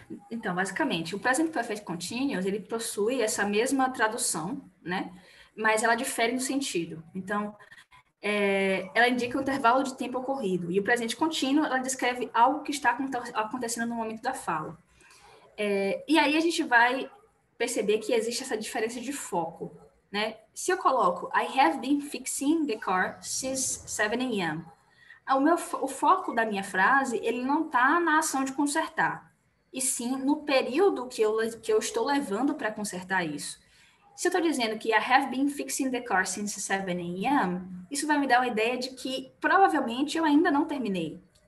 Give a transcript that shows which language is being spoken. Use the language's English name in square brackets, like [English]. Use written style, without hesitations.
[Portuguese] Então, basicamente, o present perfect continuous, ele possui essa mesma tradução, né? Mas ela difere no sentido. Então, ela indica o intervalo de tempo ocorrido. E o presente contínuo, ela descreve algo que está acontecendo no momento da fala. E aí a gente vai perceber que existe essa diferença de foco, né? Se eu coloco, [English] I have been fixing the car since 7 a.m. [Portuguese] O foco da minha frase, ele não está na ação de consertar, e sim no período que eu estou levando para consertar isso. Se eu estou dizendo que [English] I have been fixing the car since 7 a.m., [Portuguese] isso vai me dar uma ideia de que provavelmente eu ainda não terminei.